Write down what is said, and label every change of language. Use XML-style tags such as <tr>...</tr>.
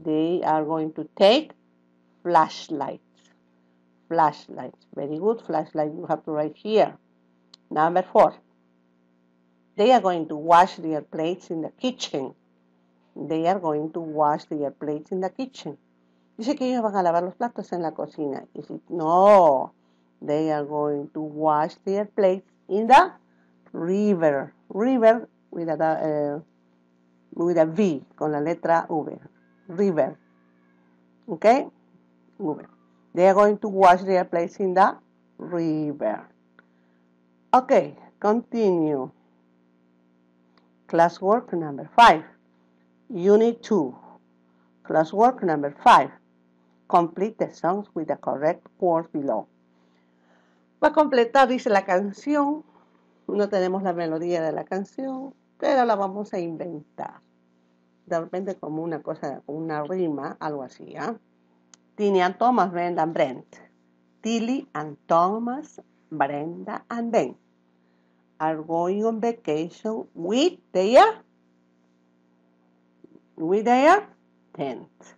<en>They are going to take flashlights. Flashlights. Very good. Flashlight you have to write here. Number four. They are going to wash their plates in the kitchen. They are going to wash their plates in the kitchen.</en> <es>Dice que ellos van a lavar los platos en la cocina. Y si no,</es> <en>they are going to wash their plates in the river. River with a V,</en> <es>con la letra V.</es> <en>River. ¿Ok? V. They are going to wash their plates in the river. Ok, continue. Classwork number 5. Unit 2. Classwork number 5. Complete the songs with the correct words below.</en> <es>Va a completar, dice la canción. No tenemos la melodía de la canción, pero la vamos a inventar. De repente como una cosa, una rima, algo así, ¿eh?</es> <en>Tilly and Thomas, Brenda and Brent. Tilly and Thomas, Brenda and Ben are going on vacation with their tent.</en>